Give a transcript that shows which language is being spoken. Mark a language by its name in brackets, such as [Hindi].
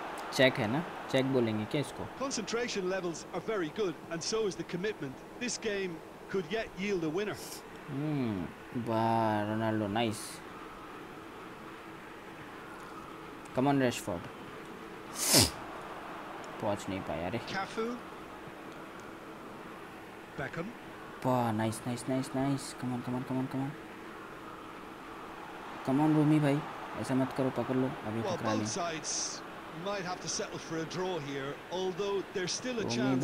[Hindi] Check है ना, check बोलेंगे क्या इसको? [English] Concentration levels are very good, and so is the commitment. This game could yet yield a winner. [Hindi] Ronaldo nice, come on Rashford, पहुंच नहीं पाया रे। काफू, Beckham, nice nice nice nice, come on come on come on come on come on रोमी भाई, ऐसा मत करो, पकड़ लो अभी, पकड़ा नहीं। [English] Might have to settle for a draw here, although there's still a chance